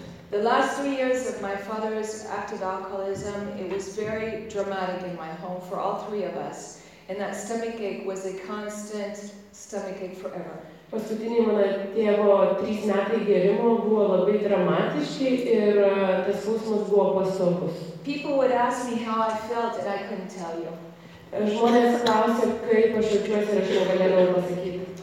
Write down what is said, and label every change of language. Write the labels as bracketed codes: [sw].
[en] The last 3 years of my father's active alcoholism, it was very dramatic in my home for all three of us. And that stomach ache was a constant stomach ache forever. [lt] Paskutiniai mano tėvo 3 metai gėrimo buvo labai dramatiški ir tas skausmas buvo pastovus. [en] People would ask me how I felt and I couldn't tell you. [lt] Žmonės klausė, kaip aš jaučiuosi, aš negalėjau pasakyti.